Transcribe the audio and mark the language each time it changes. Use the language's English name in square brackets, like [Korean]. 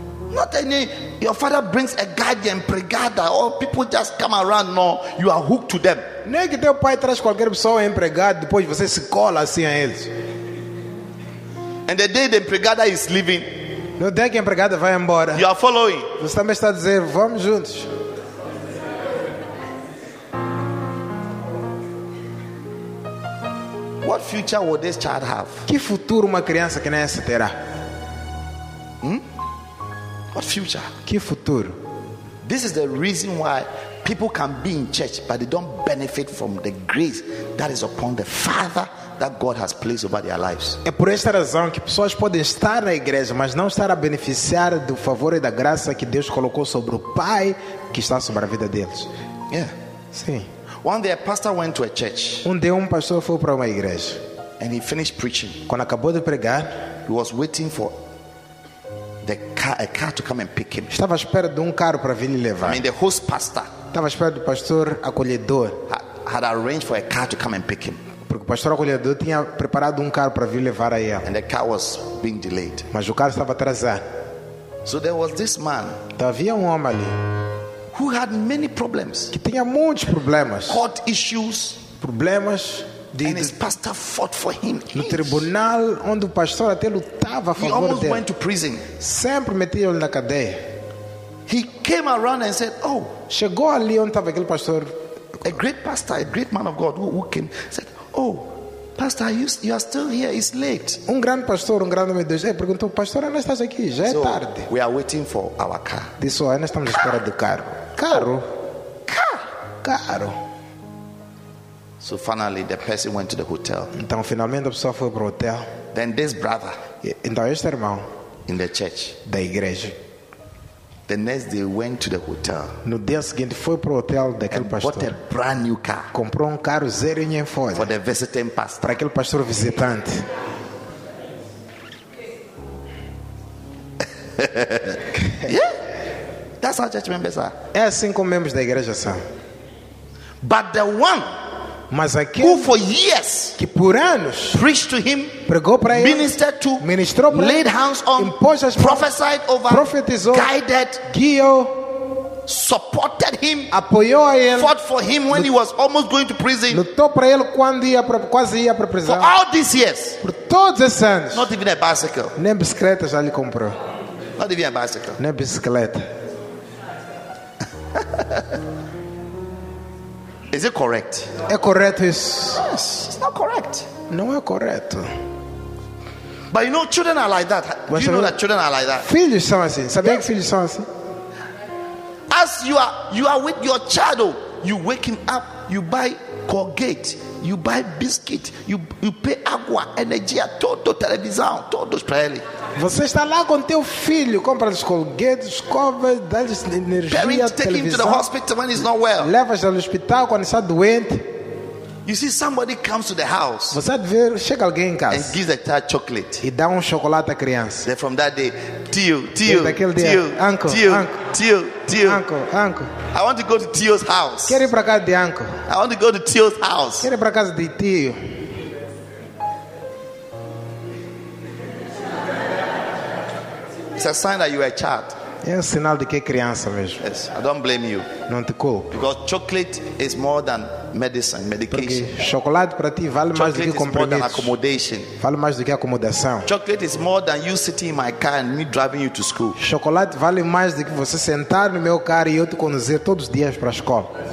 [English] Not any your father brings a guardian, pregada, or people just come around. No, you are hooked to them. [Portuguese] Nem que teu pai traz qualquer pessoa empregada, depois você se cola assim a eles. [English] And the day the empregada is leaving, [Portuguese] no dia que a empregada vai embora, [English] you are following. [Portuguese] Você também está a dizer, vamos juntos. [English] What future will this child have? [Portuguese] Que futuro uma criança que nessa terá? [English] What future? [Portuguese] Que futuro? [English] This is the reason why people can be in church, but they don't benefit from the grace that is upon the Father that God has placed over their lives. [Portuguese] É por esta razão que pessoas podem estar na igreja, mas não estar a beneficiar do favor e da graça que Deus colocou sobre o Pai que está sobre a vida deles. [English] Yeah. [Portuguese] Sim. [English] One day a pastor went to a church. [Portuguese] Dia pastor foi para uma igreja. [English] And he finished preaching. [Portuguese] Quando acabou de pregar, [English] he was waiting for a car to come and pick him. [Portuguese] Estava à espera de carro para vir lhe levar. [English] I mean, the host pastor. [Portuguese] Estava à espera do pastor acolhedor. [English] Had arranged for a car to come and pick him. [Portuguese] Porque o pastor acolhedor tinha preparado carro para vir levar a ele. [English] And the car was being delayed. [Portuguese] Mas o carro estava atrasado. [English] So there was this man. [Portuguese] Então, havia homem ali. [English] Who had many problems? [Portuguese] Que tinha muitos problemas. [English] Court issues. [Portuguese] Problemas. [English] And his pastor fought for him. [Portuguese] No tribunal onde o pastor até lutava a favor dele. [English] He almost went to prison. [Portuguese] Sempre metia-o na cadeia. [English] He came around and said, "Oh." [Portuguese] Chegou ali onde estava aquele pastor. [English] A great pastor, a great man of God, who came, said, "Oh, pastor, you are still here. It's late." [Portuguese] Grande pastor, grande homem de Deus, perguntou: "Pastor, ainda estás aqui? Já é tarde." [English] We are waiting for our car. [Portuguese] Disse: "Ainda estamos à espera do carro." Carro. [English] Car. [Portuguese] Carro. [English] So finally, the person went to the hotel. [Portuguese] Então finalmente a pessoa foi para o hotel. [English] Then this brother. [Portuguese] Então este irmão. [English] In the church. [Portuguese] Da igreja. [English] The next day went to the hotel. [Portuguese] No dia seguinte foi para o hotel daquele pastor. [English] Bought a brand new car. [Portuguese] Comprou carro zero em folha. [English] For the visiting pastor. [Portuguese] Para aquele pastor visitante. [English] Yeah. That's how church members are. [Portuguese] É assim como membros da igreja são. [English] But the one. [Portuguese] Mas aquele [English] who for years [Portuguese] que por anos [English] preached to him, [Portuguese] pregou para ele, [English] ministered to, [Portuguese] ministrou para ele, [English] laid hands on, prophesied over, [Portuguese] profetizou, [English] guided, [Portuguese] guiou, [English] supported him, [Portuguese] apoiou a ele, [English] fought for him when he was almost going to prison, [Portuguese] lutou para ele quando quase ia para prisão. [English] For all these years, [Portuguese] por todos esses anos, [English] not even a bicycle, [Portuguese] nem bicicleta já lhe comprou, [English] not even a bicycle, [Portuguese] nem bicicleta. [English] Is it correct? [Portuguese] É correto isso? [English] Yes, it's not correct. [Portuguese] Não é correto. [English] But you know, children are like that. Do you know that children are like that? [Portuguese] Filhos são assim. Sabia que filhos são assim? [English] As you are with your child, you wake him up, you buy Colgate, you buy biscuit, you pay [Portuguese] água, energia, todo televisão, todo espelho. Você está lá com teu filho, compra os colgates, escova, dá-lhe energia, [English] parents, Take him to the hospital when he's not well. [Portuguese] Levas ao hospital quando está doente. [English] You see somebody comes to the house. [Portuguese] Você ver, chega alguém em casa. [English] And gives a child chocolate. [Portuguese] E dá chocolate à criança. [English] Then from that day, Tio, uncle. I want to go to Tio's house. [Portuguese] Quero ir para casa de uncle. [English] I want to go to Tio's house. [Portuguese] Quero ir para casa de tio. [English] It's a sign that you are a child. [Portuguese] É sinal de que é criança mesmo. [English] Yes, I don't blame you. [Portuguese] Não te culpo. [English] Because chocolate is more than medicine, medication. [Portuguese] Porque chocolate para ti vale mais do que comprimidos. [English] More than accommodation. [Portuguese] Vale mais do que acomodação. [English] Chocolate is more than you sitting in my car and me driving you to school. [Portuguese] Chocolate vale mais do que você sentar no meu carro e eu te conduzir todos os dias para a escola.